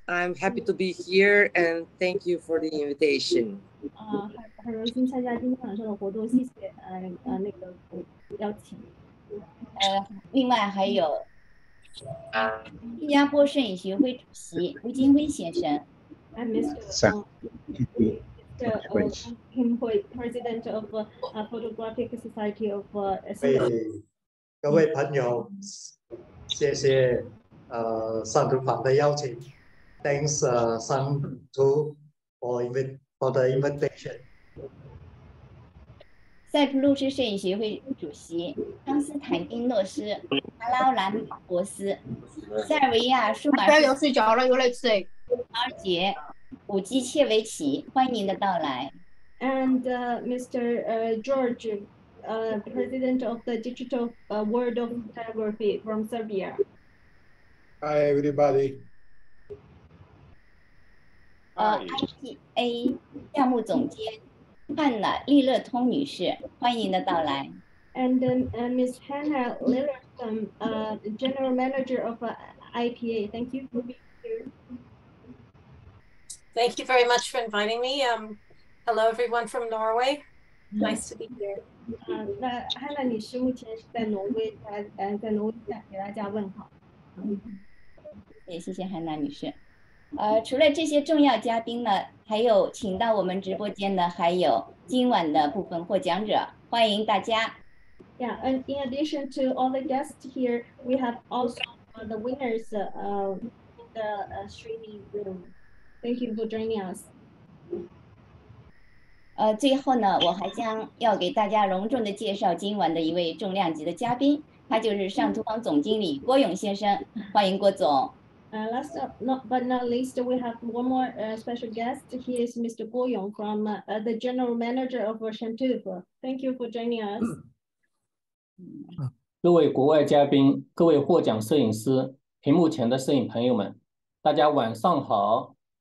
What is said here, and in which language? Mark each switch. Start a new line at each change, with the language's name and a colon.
English: I'm happy to be here and thank you for the invitation.
Chinese: 很荣幸参加今天晚上的活动，谢谢那个邀请。另外还有新加坡摄影协会主席吴金辉先生。
English: I'm Mr. Goh Kim Hui, President of Photographic Society of Singapore.
Chinese: 各位朋友，谢谢。上图坊的邀请 ， Thanks, Shangtuf for the invitation. 塞浦路斯摄影协会主席康斯坦丁诺斯·查拉兰博斯，塞尔维亚数码不要睡着了，有点睡。高杰·武基切维奇，欢迎您的到来。
English: And Mr. George, President of the Digital World of Photography from Serbia. Hi, everybody.
Chinese: IPA 项目总监汉娜·利勒通女士，欢迎的到来。
English: And Ms. Hannah Lillethun, General Manager of IPA. Thank you for being here. Thank you very much for inviting me. Hello, everyone from Norway. Nice to be here.
Chinese: 那汉娜女士目前是在挪威，在挪威给大家问好。也谢谢汉娜女士。除了这些重要嘉宾呢，还有请到我们直播间的还有今晚的部分获奖者，欢迎大家。
English: Yeah, and in addition to all the guests here, we have also the winners in the streaming room. Thank you for joining us.
Chinese: 最后呢，我还将要给大家隆重的介绍今晚的一位重量级的嘉宾，他就是上图坊总经理郭勇先生，欢迎郭总。
English: Last but not least, we have one more special guest. He is Mr. Goh Yong from the General Manager of Shangtuf. Thank you for joining us.
Chinese: 各位国外嘉宾，各位获奖摄影师，屏幕前的摄影朋友们，大家晚上好。